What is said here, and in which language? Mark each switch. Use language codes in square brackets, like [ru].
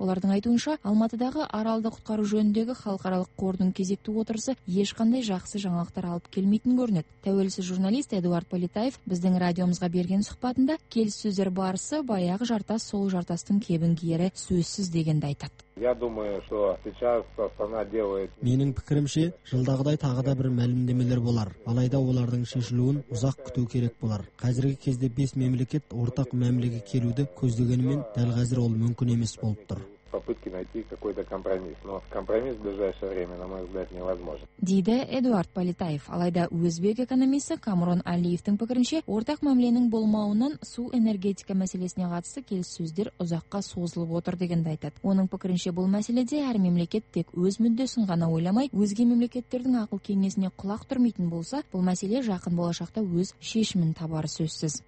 [kk] Олардың айтуынша, Алматыдағы аралды құтқару жөніндегі халықаралық қордың кезекті отырысы ешқандай жақсы жаңалықтар алып келмейтін көрінеді. Тәуелсіз журналист Эдуард Политаев біздің радиомызға берген сұхбатында келіссөздер барысы баяғы жартас сол жартастың кебін киері сөзсіз деген. [ru] Я думаю, что сейчас страна делает. [kk] Менің пікірімше, жылдағыдай тағы да бір мәлімдемелер болар. Алайда олардың шешілуін ұзақ күту керек болар. Қазіргі кезде 5 мемлекет ортақ мәмілеге келуді көздегенімен дәл қазір ол мүмкін емес болып тұр. [ru] Попытки найти какой-то компромисс, но компромисс в ближайшее время, на мой взгляд, невозможен. [kk] Дейді Эдуард Политаев. Алайда өзбек экономисі Камрон Алиевтің пікірінше, ортақ мәміленің болмауынан су энергетика мәселесіне қатысты келіссөздер ұзаққа созылып отыр дегенді айтады. Оның пікірінше, бұл мәселеде әр мемлекет тек өз мүддесін ғана ойламай, өзге мемлекеттердің ақыл кеңесіне құлақ түрмейтін болса, бұл мәселе жақын болашақта өз шешімін табары сөзсіз.